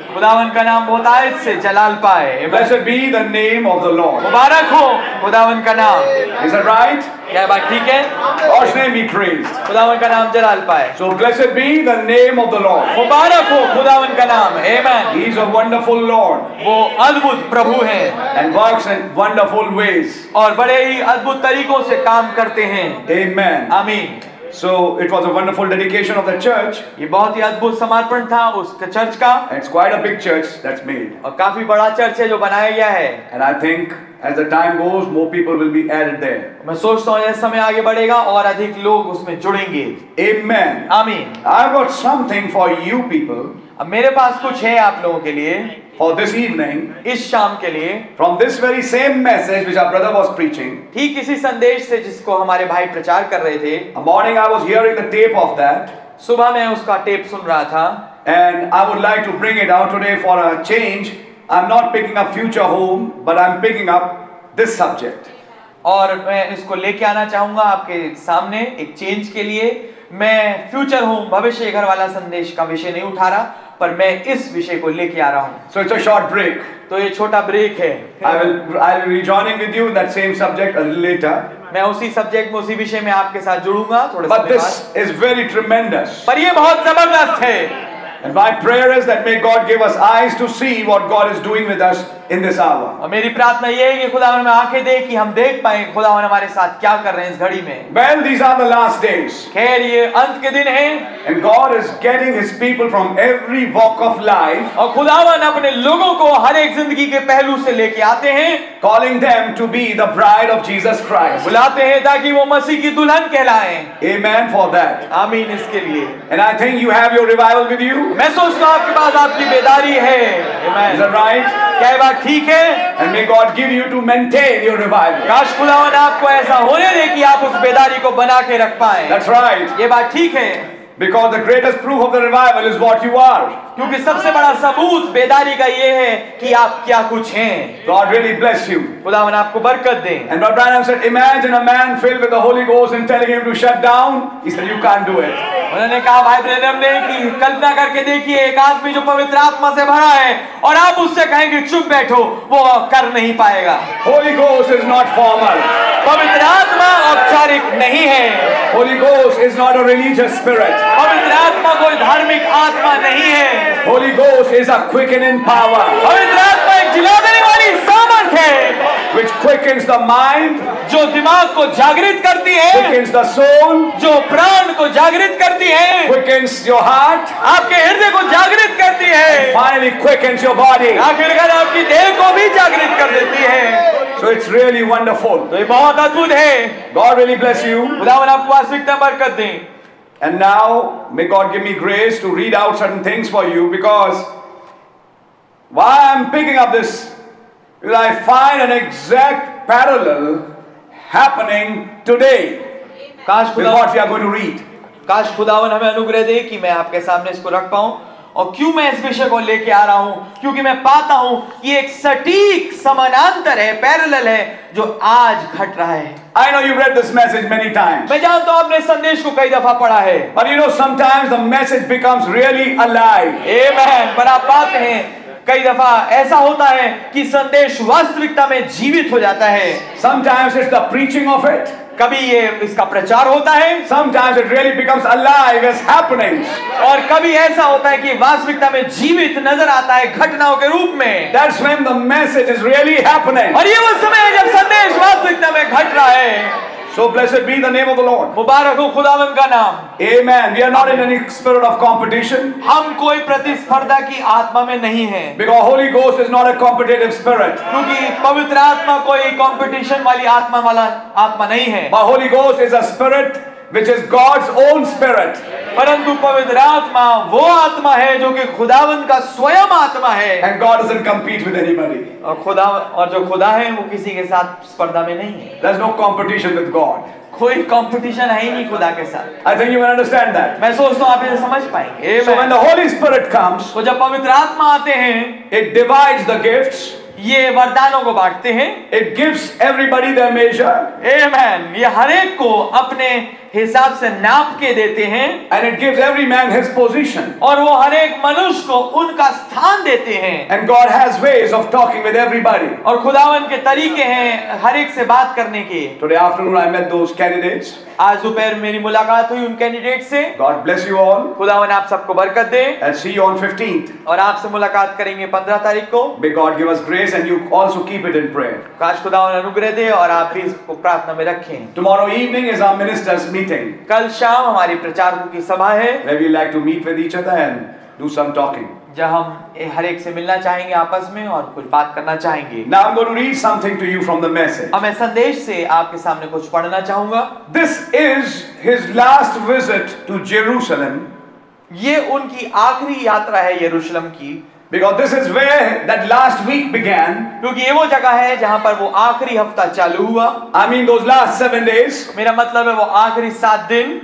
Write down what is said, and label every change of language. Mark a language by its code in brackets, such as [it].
[hi] खुदावन का नाम बहुत आयत से जलाल पाए [en] Blessed be the name of the Lord. [hi] मुबारक हो खुदावन का नाम [en] Is that right? [hi] क्या बात ठीक है [en] God's name be praised. [hi] खुदावन का नाम जलाल पाए [en] So blessed be the name of the Lord. [hi] मुबारक हो खुदावन का नाम Amen. [en] He is a wonderful Lord. [hi] वो अद्भुत प्रभु है [en] And works in wonderful ways. [hi] और बड़े ही अद्भुत तरीकों से काम करते हैं [en] Amen. [hi] आमीन [en] So it was a wonderful dedication of the church. [hi] ये बहुत ही अद्भुत समर्पण था उस चर्च का. [en] It's quite a big church that's made. [hi] और काफी बड़ा चर्च है जो बनाया गया है. [en] And I think as the time goes, more people will be added there. [hi] मैं सोचता हूँ जैसे समय आगे बढ़ेगा और अधिक लोग उसमें जुड़ेंगे. [en] Amen. [hi] आमीन. [en] I've got something for you people. [hi] अब मेरे पास कुछ है आप लोगों के लिए. [en] For this evening, [hi] इस शाम के लिए, [en] from this very same message which our brother was preaching, [hi] ठीक इसी संदेश से जिसको हमारे भाई प्रचार कर रहे थे, [en] a morning I was hearing the tape of that, [hi] सुबह मैं उसका टेप सुन रहा था, [en] and I would like to bring it out today for a change. I'm not picking up future home, but I'm picking up this subject. [hi] और मैं इसको लेके आना चाहूँगा आपके सामने एक चेंज के लिए. मैं फ्यूचर होम भविष्य घर वाला संदेश का विषय नहीं उठा रहा पर मैं इस विषय को लेके आ रहा हूँ [en] So it's a short break. [hi] तो ये छोटा ब्रेक है [en] I will rejoining with you that same subject a little later. [hi] मैं उसी सब्जेक्ट में उसी विषय में आपके साथ जुड़ूंगा थोड़े [en] But this is very tremendous. [hi] पर ये बहुत जबरदस्त है [en] And my prayer is that may God give us eyes to see what God is doing with us in this hour. [hi] और मेरी प्रार्थना ये है कि खुदावन में आंखें दे कि हम देख पाए खुदावन हमारे साथ क्या कर रहे हैं इस घड़ी में. [en] Well, these are the last days. [hi] खैर ये अंत के दिन हैं. [en] And God is getting His people from every walk of life. [hi] और खुदावन अपने लोगों को हर एक जिंदगी के पहलू से लेके आते हैं. [en] Calling them to be the bride of Jesus Christ. [hi] बुलाते हैं ताकि वो मसीह की दुल्हन कहलाएं. [en] Amen for that. [hi] आमीन इसके लिए. [en] And I think you have your revival with you. [hi] मैं सोचता हूँ आपके पास आपकी बेदारी है. [en] Amen. Is that right? [hi] कहवा ठीक है. [en] And may God give you to maintain your revival. [hi] काश खुदावन आपको ऐसा होने दे कि आप उस बेदारी को बना के रख पाए. [en] That's right. [hi] ये बात ठीक है. [en] Because the greatest proof of the revival is what you are. [hi] क्योंकि सबसे बड़ा सबूत बेदारी का ये है कि आप क्या कुछ हैं. [en] God really bless you. [hi] खुदावन आपको बरकत दे. [en] And Brother Branham said, imagine a man filled with the Holy Ghost and telling him to shut down. He said, you can't do it. [hi] उन्होंने कहा भाई ब्रैनम ने कि कल्पना करके देखिए एक आदमी जो पवित्र आत्मा से भरा है और आप उससे कहेंगे चुप बैठो वो कर नहीं पाएगा. [en] Holy Ghost is not formal. [hi] पवित्र आत्मा औपचारिक नहीं है. [en] Holy Ghost is not a religious spirit. [hi] पवित्र आत्मा कोई धार्मिक आत्मा नहीं है. [en] Holy Ghost is a quickening power. [hi] पवित्र आत्मा एक जिला देने वाली सामर्थ्य है. [en] Which quickens the mind. [hi] जो दिमाग को जागृत करती है. [en] Quickens the soul. [hi] जो प्राण को जागृत करती है. [en] Quickens your heart. [hi] आपके हृदय को जागृत करती है. [en] And finally quickens your body. [hi] आखिरकार आपकी देह को भी जागृत कर देती है. [en] So it's really wonderful. [hi] तो ये बहुत अद्भुत है. [en] God really bless you. [hi] खुदावन आपको आशीषता बरकत दे. [en] And now may God give me grace to read out certain things for you, because why I'm picking up this is I find an exact parallel happening today. [hi] काश खुदावन [en] what we are going to read. [hi] काश खुदावन हमें अनुग्रह दे कि मैं आपके सामने इसको रख पाऊं. और क्यों मैं इस विषय को लेके आ रहा हूं, क्योंकि मैं पाता हूं कि एक सटीक समानांतर है, पैरेलल है जो आज घट रहा है. [en] I know you've read this message many times. [hi] मैं जानता हूं आपने संदेश को कई दफा पढ़ा है. [en] But you know sometimes the message becomes really alive. Amen. [hi] पर आप पाते हैं कई दफा ऐसा होता है कि संदेश वास्तविकता में जीवित हो जाता है. [en] Sometimes it's the preaching of it. [hi] कभी ये इसका प्रचार होता है. [en] Sometimes it really becomes alive as happenings. [hi] और कभी ऐसा होता है कि वास्तविकता में जीवित नजर आता है घटनाओं के रूप में. [en] That's when the message is really happening. [hi] और ये वो समय है जब संदेश वास्तविकता में घट रहा है. [en] So blessed be the name of the Lord. [hi] मुबारक हो खुदावन का नाम. [en] Amen. We are not in any spirit of competition. [hi] हम कोई प्रतिस्पर्धा की आत्मा में नहीं हैं. [en] Because Holy Ghost is not a competitive spirit. [hi] क्योंकि पवित्र आत्मा कोई competition वाली आत्मा वाला आत्मा नहीं है. [en] But Holy Ghost is a spirit which is God's own spirit. [hi] परंतु पवित्र आत्मा वो आत्मा है जो कि खुदावन का स्वयं आत्मा है. [en] And God doesn't compete with anybody. [hi] और जो खुदा है वो किसी के साथ स्पर्धा में नहीं है. [en] There's no competition with God. [hi] कोई कंपटीशन है ही नहीं खुदा के साथ. [en] I think you will understand that. [hi] मैं सोचता हूँ आप इसे समझ पाएंगे. [en] So when the Holy Spirit comes, [hi] तो जब पवित्र आत्मा आते हैं, [en] it divides the gifts. [hi] ये वरदानों को बांटते हैं. [en] It gives everybody their measure. Amen. [hi] ये हर एक को अपने हिसाब से नाप के देते हैं. [en] And it gives every man his position. [hi] और वो हर एक मनुष्य को उनका स्थान देते हैं. [en] And God has ways of talking with everybody. [hi] और खुदावन के तरीके हैं हर एक से बात करने के. [en] Today afternoon I met those candidates. [hi] आज दोपहर मेरी मुलाकात हुई उन कैंडिडेट से. [en] God bless you all. [hi] खुदावन आप सबको बरकत दे. [en] And see you on 15th. [hi] और आपसे मुलाकात करेंगे 15 तारीख को. [en] May God give us grace and you also keep it in prayer. [hi] काश खुदावन अनुग्रह दे और आप भी इसको प्रार्थना में रखें. [en] Tomorrow evening is our ministers meeting. [hi] कल शाम हमारी प्रचारकों की सभा है. [en] Where we like to meet with each other and do some talking. [hi] जहां हम हर एक से मिलना चाहेंगे आपस में और कुछ बात करना चाहेंगे. [en] Now I'm going to read something to you from the message. [hi] अब मैं संदेश से आपके सामने कुछ पढ़ना चाहूंगा. [en] This is his last visit to Jerusalem. [hi] ये उनकी आखिरी यात्रा है यरूशलेम की. [en] Because this is where that last week began. [hi] क्योंकि ये वो जगह है जहां पर वो आखिरी हफ्ता चालू हुआ. [en] I mean those last 7 days. [hi] मेरा मतलब है वो आखिरी 7 दिन.